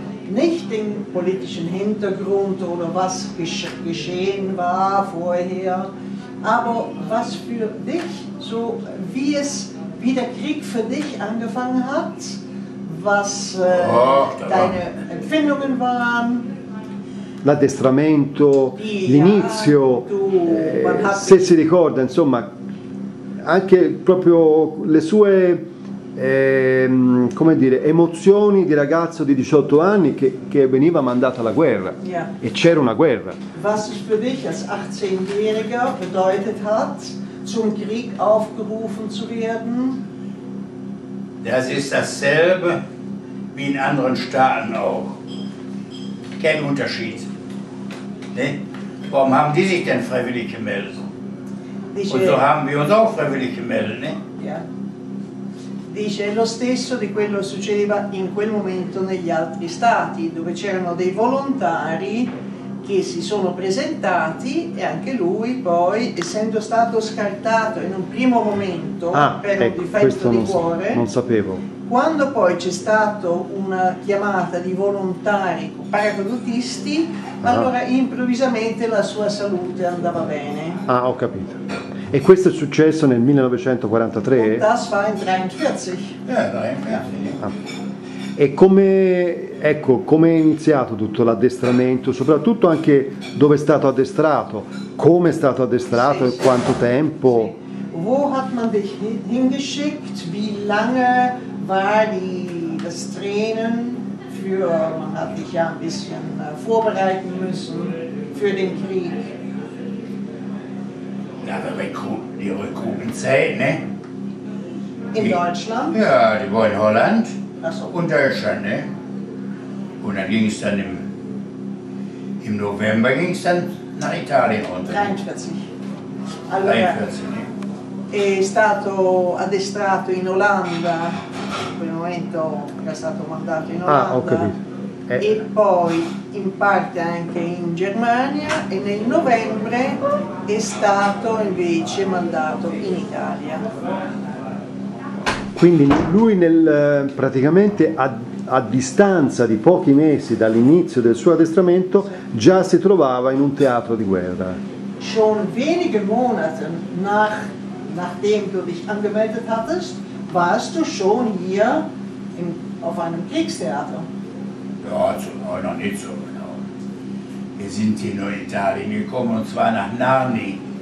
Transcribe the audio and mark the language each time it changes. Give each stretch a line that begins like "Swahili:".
German: Nicht den politischen Hintergrund oder was geschehen war vorher, aber was für dich, so wie es, wie der Krieg für dich angefangen hat, was deine Empfindungen waren.
Italian: L'addestramento, l'inizio, se si ricorda, insomma, anche proprio le sue come dire, emozioni di ragazzo di 18 anni che veniva mandato alla guerra. Yeah. E c'era una guerra.
German: Was es für dich als 18-jähriger bedeutet hat, zum Krieg aufgerufen zu werden? Das ist dasselbe wie in anderen Staaten auch. Kein Unterschied. Ne? Warum haben die sich denn freiwillig gemeldet?
Italian: Dice,
German: und so haben wir uns auch freiwillig gemeldet, ne? Yeah.
Italian: Dice, è lo stesso di quello che succedeva in quel momento negli altri stati, dove c'erano dei volontari che si sono presentati e anche lui poi, essendo stato scartato in un primo momento per ecco, un difetto di cuore, non sapevo. Quando poi c'è stata una chiamata di volontari paracadutisti, allora improvvisamente la sua salute andava bene. Ah, ho capito. E questo è successo nel 1943?
German: Und das war in 1943.
Italian: E come, ecco, come è iniziato tutto l'addestramento, soprattutto anche dove è stato addestrato, come è stato addestrato e quanto tempo? Sì.
German: Wo hat man dich hingeschickt? Wie lange war das Training für, man hat dich ja ein bisschen vorbereiten müssen für den Krieg? Na, die Rekrutenzeit, ne? In Deutschland? Ja, die war in Holland. So. Und Deutschland, ne? Und dann ging es dann im November ging es dann nach Italien runter. 43.
Italian: Allora, 43, ne? È stato addestrato in Olanda, in quel momento era stato mandato in Olanda. Ah, ho capito. E poi in parte anche in Germania e nel novembre è stato invece mandato in Italia. Quindi lui praticamente a distanza di pochi mesi dall'inizio del suo addestramento già si trovava in un teatro di guerra.
German: Schon wenige Monate nachdem du dich angemeldet hattest, warst du schon hier auf einem Kriegstheater.
Italian: Ja, noi non è so, no.
German: Wir sind hier in Italien gekommen und zwar nach Narni.